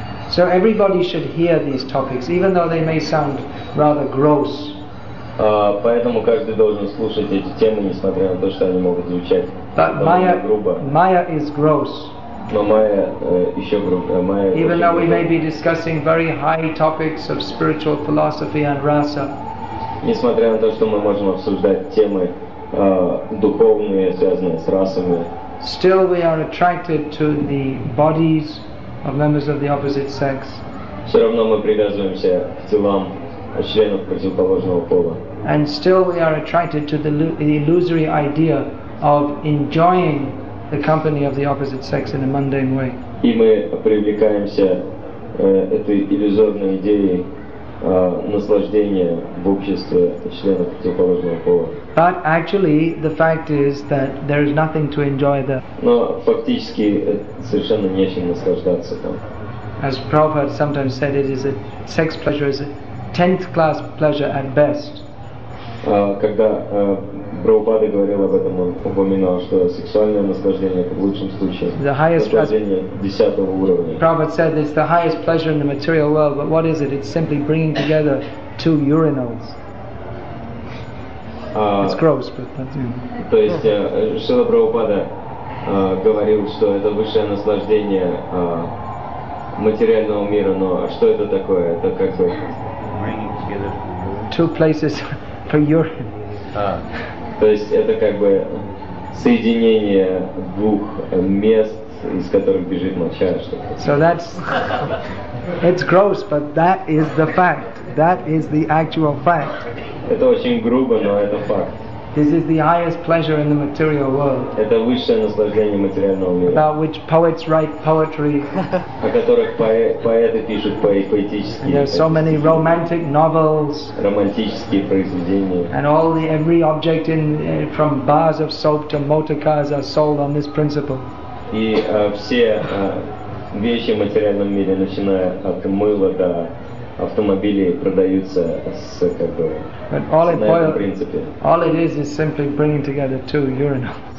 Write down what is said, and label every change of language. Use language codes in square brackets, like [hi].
[en] So everybody should hear these topics, even though they may sound rather gross. [ru] Поэтому каждый должен слушать эти темы, несмотря на то, что они могут звучать довольно грубо. [en] But Maya is gross. [ru] Но Maya еще грубее. [en] Maya. Even though we may be discussing very high topics of spiritual philosophy and rasa. [ru] Несмотря на то, что мы можем обсуждать темы духовные, связанные с расами. [en] Still we are attracted to the bodies of members of the opposite sex. [ru] Все равно мы привязываемся к телам членов противоположного пола. [en] And still we are attracted to the illusory idea of enjoying the company of the opposite sex in a mundane way. [ru] И мы привлекаемся этой иллюзорной идеей наслаждения в обществе членов противоположного пола. [en] But actually, the fact is that there is nothing to enjoy there. [ru] Но фактически совершенно нечем наслаждаться там. [en] As Prabhupada sometimes said, it is a sex pleasure is a tenth class pleasure at best. [ru] Когда Прабхупада говорил об этом, он упоминал, что сексуальное наслаждение это в лучшем случае наслаждение десятого уровня. [en] Prabhupada said it's the highest pleasure in the material world, but what is it? It's simply bringing together two urinals. It's gross, but that's [ru] То есть Шрила Прабхупада говорил, что это высшее наслаждение материального мира, но что это такое? Это как бы [en] two places for urine. [ru] То есть это как бы соединение двух мест, из которых бежит моча, что-то. [en] So that's it's gross, but that is the fact. That is the actual fact. [ru] Это очень грубо, но это факт. [en] This is the highest pleasure in the material world. [ru] Это высшее наслаждение материального мира. [en] About which poets write poetry. [ru] О которых поэты пишут поэтические. [en] There are so many romantic novels. [ru] Романтические произведения. [en] And all the every object in from bars of soap to motor cars are sold on this principle. [ru] И все вещи в материальном мире, начиная от мыла до автомобили продаются с как бы на принципе. [en] All it is simply bringing together two urinals.